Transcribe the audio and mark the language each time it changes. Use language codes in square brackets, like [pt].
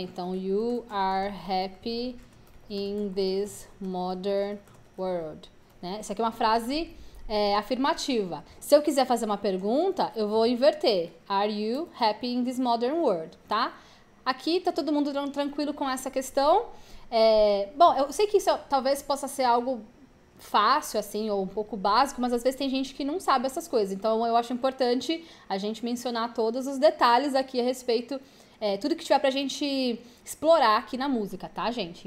[en] Então, you are happy in this modern world, né? [pt] Isso aqui é uma frase afirmativa. Se eu quiser fazer uma pergunta, eu vou inverter. [en] Are you happy in this modern world, tá? [pt] Aqui tá todo mundo tranquilo com essa questão. Bom, eu sei que isso talvez possa ser algo fácil assim ou um pouco básico, mas às vezes tem gente que não sabe essas coisas. Então eu acho importante a gente mencionar todos os detalhes aqui a respeito, tudo que tiver pra gente explorar aqui na música, tá, gente?